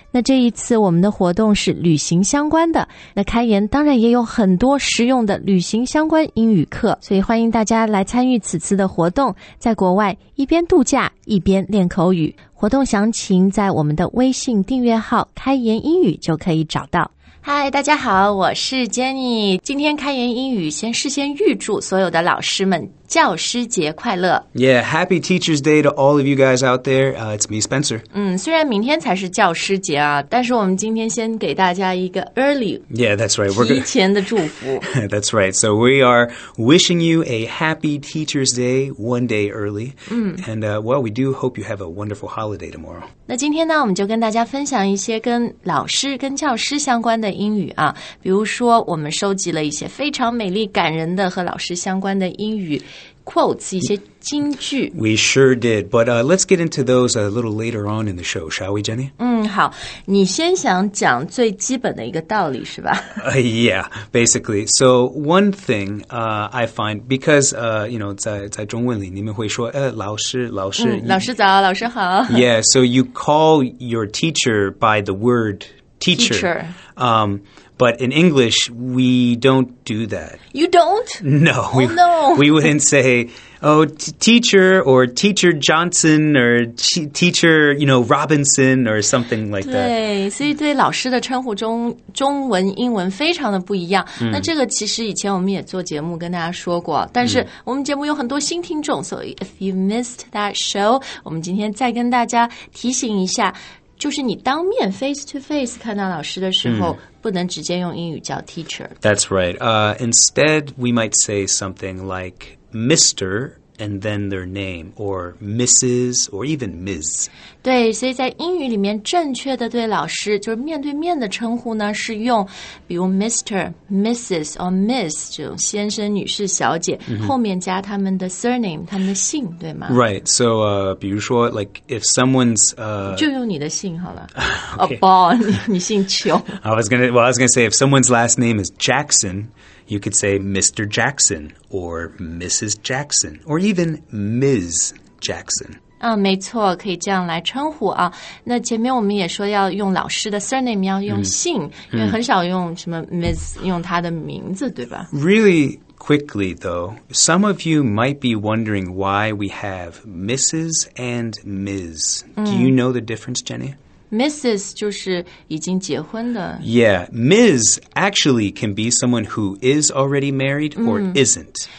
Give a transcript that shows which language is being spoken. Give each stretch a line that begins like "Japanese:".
Chinese: 那这一次我们的活动是旅行相关的，那开源当然也有很多实用的旅行相关英语课，所以欢迎大家来参与此次的活动，在国外一边度假一边练口语。活动详情在我们的微信订阅号开源英语就可以找到。嗨，大家好，我是 Jenny。今天开源英语先事先预祝所有的老师们教师节快乐。
English: Yeah, happy Teacher's Day to all of you guys out there. It's me, Spencer.
Chinese: 虽然明天才是教师节啊，但是我们今天先给大家一个 early.
English: Yeah, that's right.
Chinese: 提前的祝福。
English: That's right. So we are wishing you a happy Teacher's Day one day early. And well, we do hope you have a wonderful holiday tomorrow.
Chinese: 那今天呢，我们就跟大家分享一些跟老师、跟教师相关的英语啊。比如说，我们收集了一些非常美丽感人的和老师相关的英语quotes, 一些金句。
English: We sure did, but let's get into those a little later on in the show, shall we, Jenny?
Chinese: 好，你先想讲最基本的一个道理是吧？
English: Yeah, basically. So one thing I find, because, you know,
Chinese: 在中文里你们会说老师老师、老师早老师好。
English: Yeah, so you call your teacher by the word teacher. But in English, we don't do that. You don't? No. Oh, no. We wouldn't say, oh, teacher or teacher Johnson or teacher, you know, Robinson or something like 对, that.
Chinese: 对，所以对老师的称呼中，中文、英文非常的不一样。那这个其实以前我们也做节目跟大家说过，但是我们节目有很多新听众，所以
English: if you missed that show,
Chinese: 我们今天再跟大家提醒一下，就是你当面
English: face to face
Chinese: 看到老师的时候，不能直接用英语叫 teacher.
English: That's right. Instead, we might say something like Mr. and then their name, or Mrs. or even Ms.
Chinese: 对，所以在英语里面，正确的对老师就是面对面的称呼呢，是用比如 Mr.
English: Mrs.
Chinese: or Miss 这种先生、女士、小姐、后面加他们的 surname, 他们的姓，对吗？
English: Right. So,
Chinese: 比如说
English: like if someone's
Chinese: 就用你的姓好了。Okay. Paul, 你姓邱。
English: I was gonna say if someone's last name is Jackson. You could say Mr. Jackson or Mrs. Jackson or even Ms. Jackson.
Chinese: 没错，可以这样来称呼啊。那前面我们也说要用老师的 surname, 要用姓，因为很少用什么 Ms. 用他的名字，对吧？
English: Really quickly though, some of you might be wondering why we have Mrs. and Ms. Do you know the difference, Jenny?
Chinese: Mrs. 就是已经结婚的。
English: Yeah, Ms. actually can be someone who is already married or isn't.